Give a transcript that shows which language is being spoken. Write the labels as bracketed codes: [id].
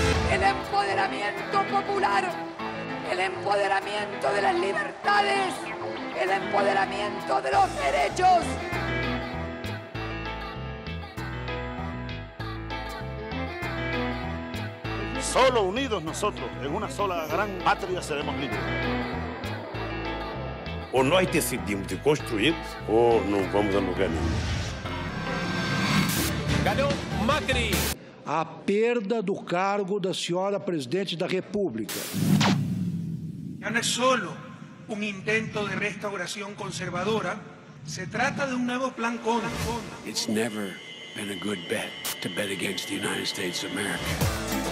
[es] El empoderamiento popular, el empoderamiento de las libertades, el empoderamiento de los derechos. Solo unidos nosotros, en una sola gran patria, seremos libres. [pt] O nós decidimos de construir, ou não vamos a lugar nenhum. Ganhou Macri. A perda do cargo da senhora presidente da República. Não é só um intento de restauração conservadora, se trata de um novo plan Cóndor. [en] It's never been a good bet to bet against the United States of America.